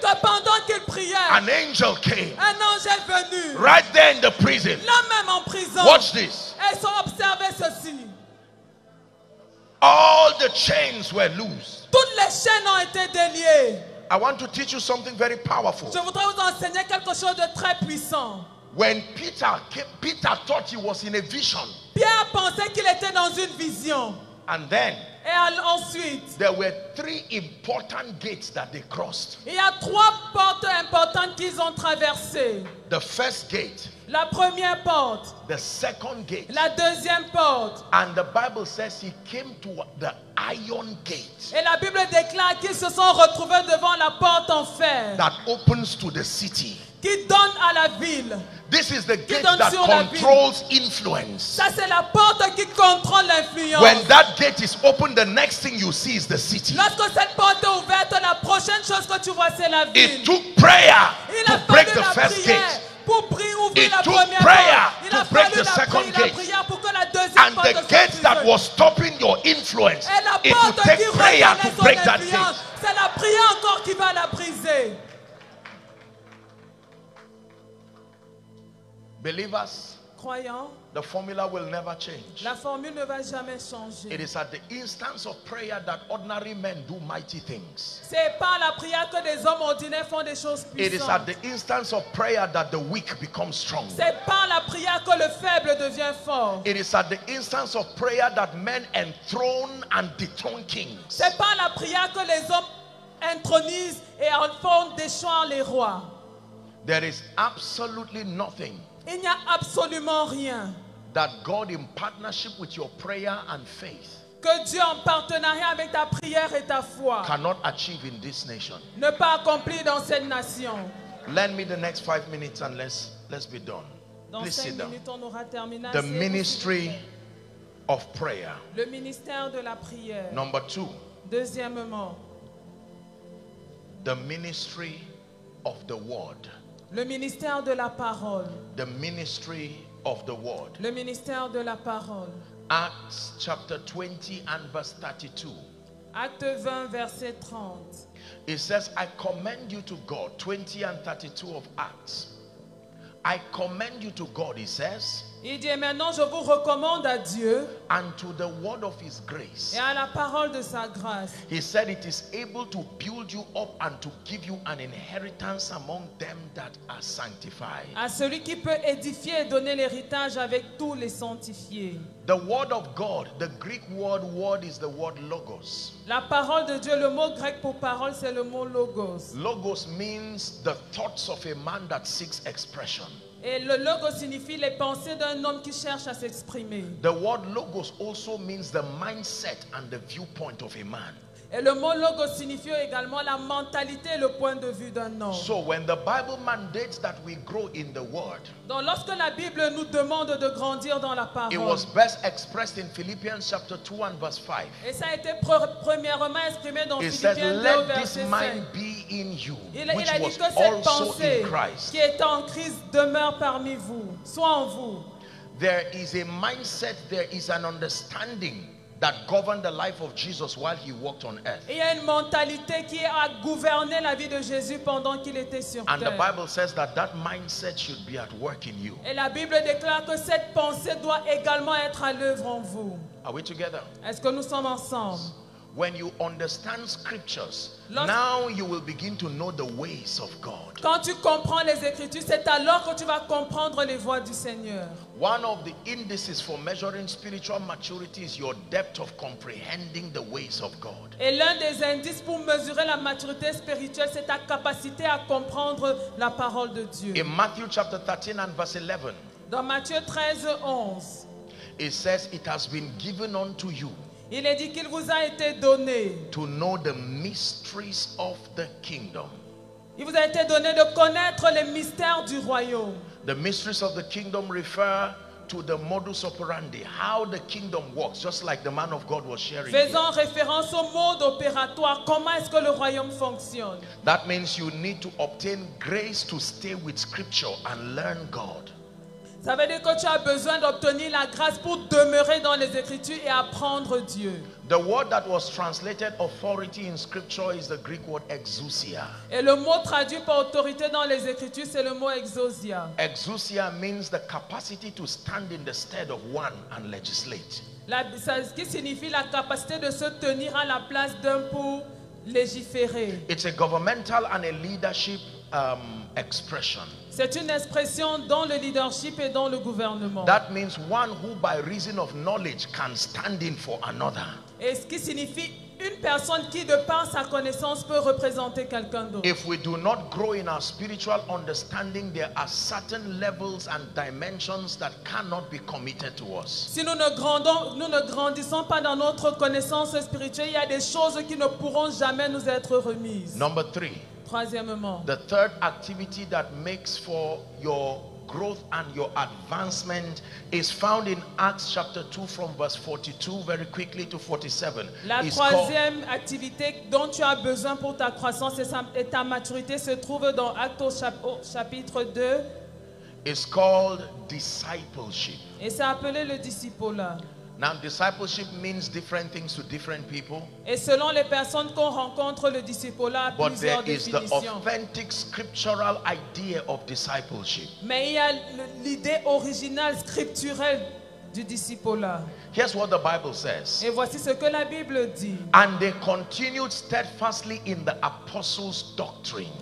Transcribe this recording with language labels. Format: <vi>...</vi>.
<fr>pendant qu'ils priaient,</fr> <en>an angel came.</en> <fr>Un ange est venu,</fr> <en>right there in the prison.</en> <fr>Là même en prison.</fr> <en>Watch this.</en> <fr>Ils ont observé ceci.</fr> <en>All the chains were loose.</en> <fr>Toutes les chaînes ont été déliées.</fr> <en>I want to teach you something very powerful.</en> <fr>Je voudrais vous enseigner quelque chose de très puissant.</fr> <en>When Peter came, Peter thought he was in a vision.</en> <fr>Pierre pensait qu'il était dans une vision.</fr> <en>And then,</en> <fr>et ensuite,</fr> <en>there were three important gates that they crossed.</en> <fr>Il y a trois portes importantes qu'ils ont traversées.</fr> <en>The first gate,</en> <fr>la première porte.</fr> <en>The second gate,</en> <fr>la deuxième porte.</fr> <en>And the Bible says he came to the iron gate.</en> <fr>Et la Bible déclare qu'ils se sont retrouvés devant la porte en fer.</fr> <en>That opens to the city.</en> <fr>Qui donne à la ville.</fr> <en>This is the gate that controls influence.</en> <fr>Ça, c'est la porte qui contrôle l'influence.</fr> <en>When that gate is open, the next thing you see is the city.</en> <fr>Lorsque cette porte est ouverte, la prochaine chose que tu vois, c'est la ville.</fr> <en>It took prayer to break the first gate. It took prayer to break the second gate. And the gate that was stopping your influence, it would take prayer to break that gate.</en> <fr>C'est la prière encore qui va la briser.</fr> <en>Believers,</en> <fr>croyant,</fr> <en>the formula will never change.</en> <fr>La formule ne va jamais changer.</fr> <en>It is at the instance of prayer that ordinary men do mighty things.</en> <fr>C'est par la prière que des hommes ordinaires font des choses puissantes.</fr> <en>It is at the instance of prayer that the weak become strong.</en> <fr>C'est par la prière que le faible devient fort.</fr> <en>It is at the instance of prayer that men enthrone and dethrone kings.</en> <fr>C'est par la prière que les hommes intronisent et en font déchoir les rois.</fr> <en>There is absolutely nothing.</en> <fr>Il n'y a absolument rien</fr> <en>that God, in partnership with your prayer and faith,</en> <fr>que Dieu en partenariat avec ta prière et ta foi</fr> <en>cannot achieve in this nation.</en> <fr>Ne pas accomplir dans cette nation.</fr> <en>Lend me the next 5 minutes and let's be done.</en> <fr>Dans</fr> <en>please sit</en> <fr>minutes,</fr> <en>down.</en> <fr>On aura terminé.</fr> <en>The ministry of prayer.</en> <fr>Le ministère de la prière.</fr> <en>Number two.</en> <fr>Deuxièmement.</fr> <en>The ministry of the word.</en> <fr>Le ministère de la parole.</fr> <en>The ministry of the word.</en> <fr>Le ministère de la parole.</fr> <en>Acts chapter 20 and verse 32.</en> <fr>Acte 20 verset 30.</fr> <en>It says, I commend you to God. 20 and 32 of Acts. I commend you to God, he says.</en> <fr>Il dit, maintenant je vous recommande à Dieu.</fr> <en>And to the word of his grace.</en> <fr>Et à la parole de sa grâce.</fr> <en>He said, it is able to build you up and to give you an inheritance among them that are sanctified.</en> <fr>À celui qui peut édifier et donner l'héritage avec tous les sanctifiés.</fr> <en>The word of God, the Greek word, word is the word logos.</en> <fr>La parole de Dieu, le mot grec pour parole, c'est le mot logos.</fr> <en>Logos means the thoughts of a man that seeks expression.</en> <fr>Et le logos signifie les pensées d'un homme qui cherche à s'exprimer.</fr> <en>The word logos also means the mindset and the viewpoint of a man.</en> <fr>Et le mot logos signifie également la mentalité et le point de vue d'un homme.</fr> <en>So when the Bible mandates that we grow in the word,</en> <fr>donc lorsque la Bible nous demande de grandir dans la parole,</fr> <en>it was best expressed in Philippians chapter 2 and verse 5.</en> <fr>Et ça a été premièrement exprimé dans Philippiens 2 verset 5.</fr> <en>It says, let this mind be in you, which was also in Christ.</en> <fr>Qui est en Christ demeure parmi vous, soit en vous.</fr> <en>There is a mindset, there is an understanding that governed the life of Jesus while he walked on earth.</en> <fr>Il y a une mentalité qui a gouverné la vie de Jésus pendant qu'il était sur terre.</fr> <en>And the Bible says that that mindset should be at work in you.</en> <fr>Et la Bible déclare que cette pensée doit également être à l'œuvre en vous.</fr> <en>Are we together?</en> <fr>Est-ce que nous sommes ensemble?</fr> <en>When you understand scriptures, now you will begin to know the ways of God.</en> <fr>Quand tu comprends les écritures, c'est alors que tu vas comprendre les voies du Seigneur.</fr> <en>One of the indices for measuring spiritual maturity is your depth of comprehending the ways of God.</en> <fr>Et l'un des indices pour mesurer la maturité spirituelle, c'est ta capacité à comprendre la parole de Dieu.</fr> <en>In Matthew chapter 13 and verse 11.</en> <fr>Dans Matthieu 13, 11.</fr> <en>It says, it has been given unto you.</en> <fr>Il est dit qu'il vous a été donné.</fr> <en>To know the mysteries of the kingdom.</en> <fr>Il vous a été donné de connaître les mystères du royaume.</fr> <en>The mysteries of the kingdom refer to the modus operandi, how the kingdom works, just like the man of God was sharing.</en> <fr>Faisant référence au mode opératoire, comment est-ce que le royaume fonctionne?</fr> <en>That means you need to obtain grace to stay with Scripture and learn God.</en> <fr>Ça veut dire que tu as besoin d'obtenir la grâce pour demeurer dans les Écritures et apprendre Dieu.</fr> <en>The word that was translated authority in Scripture is the Greek word exousia.</en> <fr>Et le mot traduit par autorité dans les Écritures, c'est le mot exousia.</fr> <en>Exousia means the capacity to stand in the stead of one and legislate.</en> <fr>Ce qui signifie la capacité de se tenir à la place d'un pour légiférer.</fr> <en>It's a governmental and a leadership expression.</en> <fr>C'est une expression dans le leadership et dans le gouvernement.</fr> <en>That means one who by reason of knowledge can stand in for another.</en> <fr>Et ce qui signifie une personne qui de par sa connaissance peut représenter quelqu'un d'autre.</fr> <en>If we do not grow in our spiritual understanding, there are certain levels and dimensions that cannot be committed to us.</en> <fr>Si nous ne grandissons pas dans notre connaissance spirituelle, il y a des choses qui ne pourront jamais nous être remises.</fr> <en>Number three.</en> <fr>Troisièmement.</fr> <en>The third activity that makes for your growth and your advancement is found in Acts chapter 2 from verse 42 very quickly to 47.</en> <fr>La troisième activité dont tu as besoin pour ta croissance et ta maturité se trouve dans Actes chapitre 2.</fr> <en>It's called discipleship.</en> <fr>Et c'est appelé le discipleship.</fr> <en>Now, discipleship means different things to different people.</en> <fr>Et selon les personnes qu'on rencontre, le disciple a plusieurs définitions.</fr> <en>But there is the authentic scriptural idea of discipleship.</en> <fr>Mais il y a l'idée originale scripturelle du disciple.</fr> <en>Here's what the Bible says.</en> <fr>Et voici ce que la Bible dit.</fr> <en>And they continued steadfastly in the apostles' doctrine.</en>